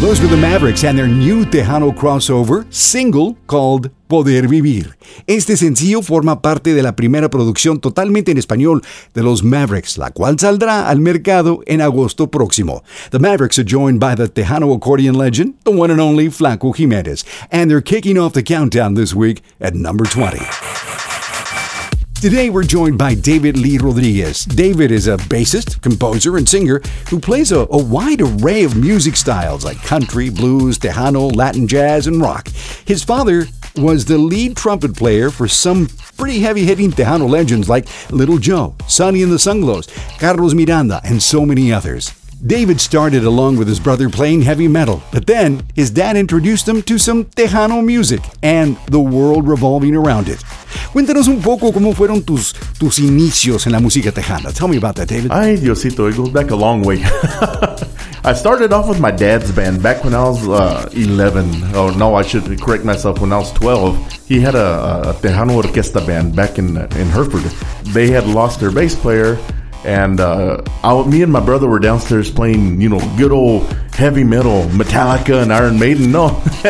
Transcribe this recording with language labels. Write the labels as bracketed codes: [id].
[en] Those were the Mavericks and their new Tejano crossover single called Poder Vivir. [es] Este sencillo forma parte de la primera producción totalmente en español de los Mavericks, la cual saldrá al mercado en agosto próximo. [en] The Mavericks are joined by the Tejano accordion legend, the one and only Flaco Jimenez, and they're kicking off the countdown this week at number 20. Today we're joined by David Lee Rodriguez. David is a bassist, composer, and singer who plays a wide array of music styles like country, blues, Tejano, Latin jazz, and rock. His father was the lead trumpet player for some pretty heavy-hitting Tejano legends like Little Joe, Sonny and the Sunglows, Carlos Miranda, and so many others. David started along with his brother playing heavy metal, but then his dad introduced him to some Tejano music and the world revolving around it. [es] Cuéntanos un poco cómo fueron tus inicios en la música Tejana. [en] Tell me about that, David. [es] Ay, Diosito, [en] it goes back a long way. I started off with my dad's band back when I was 11. Oh, no, I should correct myself. When I was 12, he had a Tejano orquesta band back in Hereford. They had lost their bass player, and me and my brother were downstairs playing, you know, good old heavy metal, Metallica and Iron Maiden. No.